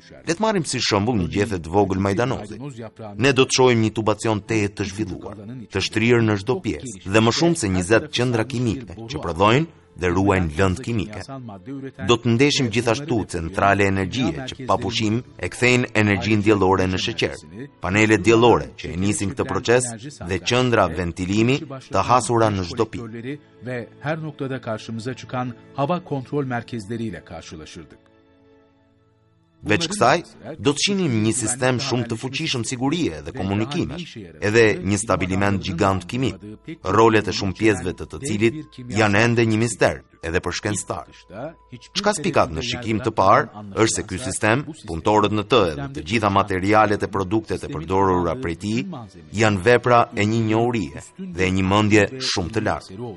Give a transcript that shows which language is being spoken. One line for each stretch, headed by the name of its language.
Albanian: Le të marrim si shembull një gjethe të vogël majdanozi. Ne do të shohim një tubacion tetë të zhvilluar, të shtrirë në çdo pjesë dhe më shumë se 20 qendra kimike që prodhojnë dhe ruajnë lëndë kimike. Do të ndeshim gjithashtu centrale energjie që pa pushim e kthejnë energjinë diellore në sheqer, panelet diellore që e nisin këtë proces dhe qendra ventilimi të hasura në çdo pikë.
Turkish: Ve her noktada karşımıza çıkan hava kontrol merkezleriyle karşılaşırdık.
Albanian: Veç kësaj, do të shihnim një sistem shumë të fuqishëm sigurie dhe komunikimi, edhe një stabiliment gigant kimik, rolet e shumë pjesëve të cilit janë ende një mister, edhe për shkencëtar. Çka spikat në shikim të parë është se ky sistem, punëtorët në të edhe të gjitha materialet e produktet e përdorura prej tij janë vepra e një njohurie dhe e një mendje shumë të lartë.